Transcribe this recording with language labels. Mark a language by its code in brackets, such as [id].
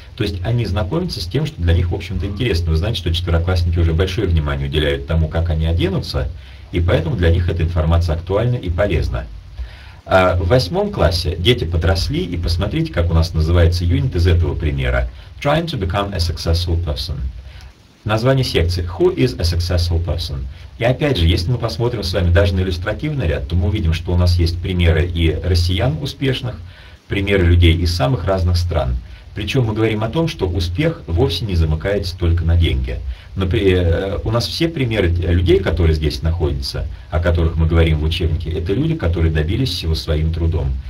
[ru] То есть они знакомятся с тем, что для них, в общем-то, интересно. Вы знаете, что четвероклассники уже большое внимание уделяют тому, как они оденутся, и поэтому для них эта информация актуальна и полезна. А в 8 классе дети подросли, и посмотрите, как у нас называется юнит из этого примера. [en] Trying to become a successful person. [ru] Название секции [en] «Who is a successful person?». [ru] И опять же, если мы посмотрим с вами даже на иллюстративный ряд, то мы увидим, что у нас есть примеры и россиян успешных, примеры людей из самых разных стран. Причем мы говорим о том, что успех вовсе не замыкается только на деньги. У нас все примеры людей, которые здесь находятся, о которых мы говорим в учебнике, это люди, которые добились всего своим трудом.